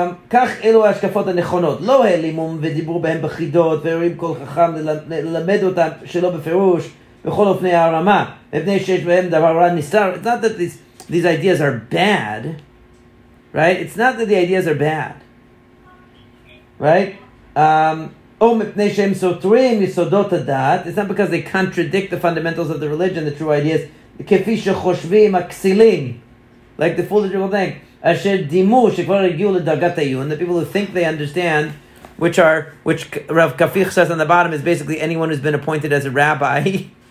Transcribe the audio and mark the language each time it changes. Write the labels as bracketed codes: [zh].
[he] כך אלו ההשקפות הנכונות, לא העלימום ודיבור בהם בחידות ואירועים כל חכם ללמד אותם שלא בפירוש בכל אופני הערמה מפני שיש בהם דבר רע נסתר. [en] It's not that these ideas are bad, right? It's not that the ideas are bad, right? [he] או מפני שהם סותרים יסודות הדעת. [en] It's not because they contradict the fundamentals of the religion, the true ideas, [he] כפי שחושבים הכסילים, [en] like the foolish people think, [he] אשר דימו שכבר הגיעו לדרגת העיון, [en] the people who think they understand, which Rav Kafich says on the bottom is basically anyone who's been appointed as a rabbi, yeah.